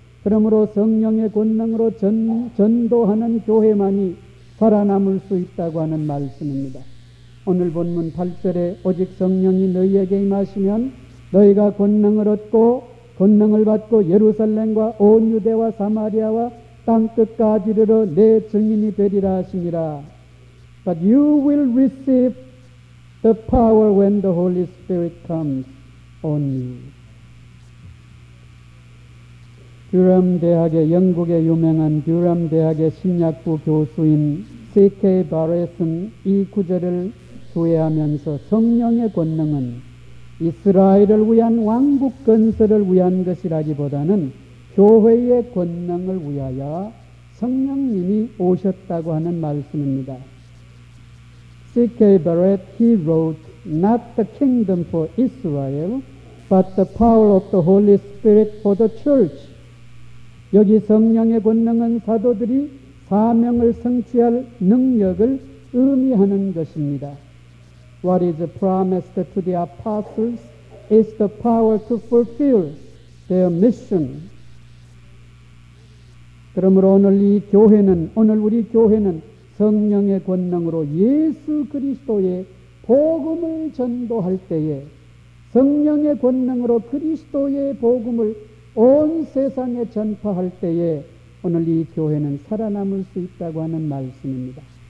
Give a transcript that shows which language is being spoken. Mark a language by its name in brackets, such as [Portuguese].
[Korean] 그러므로 성령의 권능으로 전도하는 교회만이 살아남을 수 있다고 하는 말씀입니다. 오늘 본문 8절에 오직 성령이 너희에게 임하시면 너희가 권능을 얻고, 권능을 받고 예루살렘과 온 유대와 사마리아와 땅끝까지 이르러 내 증인이 되리라 하시니라. [English] But you will receive the power when the Holy Spirit comes on you. [Korean] 듀럼 대학의, 영국의 유명한 듀럼 대학의 신약부 교수인 C.K. 바렛은 이 구절을 주의하면서 성령의 권능은 이스라엘을 위한 왕국 건설을 위한 것이라기보다는 교회의 권능을 위하여 성령님이 오셨다고 하는 말씀입니다. [English] C.K. Barrett, he wrote, not the kingdom for Israel, but the power of the Holy Spirit for the church. [Korean] 여기 성령의 권능은 사도들이 사명을 성취할 능력을 의미하는 것입니다. [English] What is promised to the apostles is the power to fulfill their mission. [Korean] 그러므로 오늘 이 교회는 오늘 우리 교회는 성령의 권능으로 예수 그리스도의 복음을 전도할 때에 성령의 권능으로 그리스도의 복음을 온 세상에 전파할 때에 오늘 이 교회는 살아남을 수 있다고 하는 말씀입니다.